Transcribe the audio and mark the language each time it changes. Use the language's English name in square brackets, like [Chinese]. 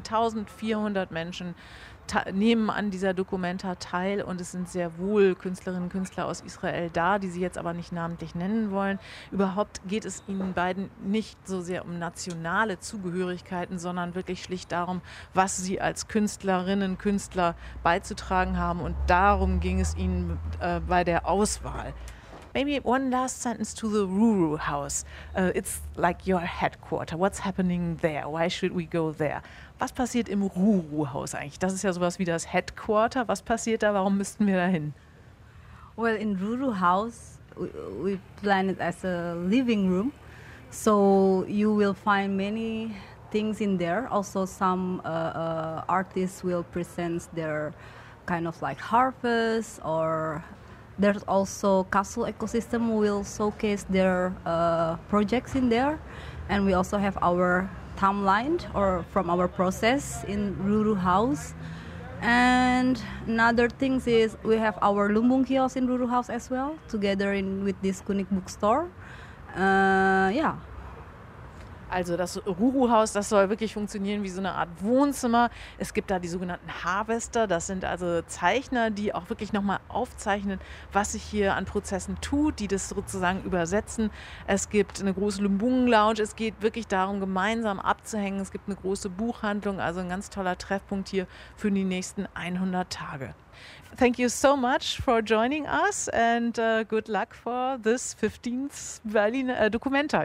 [German] 1400 Menschen nehmen an dieser Documenta teil und es sind sehr wohl Künstlerinnen und Künstler aus Israel da, die sie jetzt aber nicht namentlich nennen wollen. Überhaupt geht es ihnen beiden nicht so sehr um nationale Zugehörigkeiten, sondern wirklich schlicht darum, was sie als Künstlerinnen und Künstler beizutragen haben. Und darum ging es ihnen bei der Auswahl. [English] Maybe one last sentence to the Ruru House. It's like your headquarter. What's happening there? Why should we go there? [German] Was passiert im Ruru-Haus eigentlich? Das ist ja sowas wie das Headquarter. Was passiert da? Warum müssten wir da hin? [English] Well, in Ruru House, we plan it as a living room. So you will find many things in there. Also some artists will present their kind of like harvest, or there's also Castle Ecosystem will showcase their projects in there. And we also have our timelined or from our process in Ruru House. And another thing is we have our Lumbung kiosk in Ruru House as well, together in with this Kunik bookstore. Yeah. [German] Also das Ruru-Haus, das soll wirklich funktionieren wie so eine Art Wohnzimmer. Es gibt da die sogenannten Harvester, das sind also Zeichner, die auch wirklich nochmal aufzeichnen, was sich hier an Prozessen tut, die das sozusagen übersetzen. Es gibt eine große Lumbung-Lounge, es geht wirklich darum, gemeinsam abzuhängen. Es gibt eine große Buchhandlung, also ein ganz toller Treffpunkt hier für die nächsten 100 Tage. [English] Thank you so much for joining us and good luck for this 15th Documenta.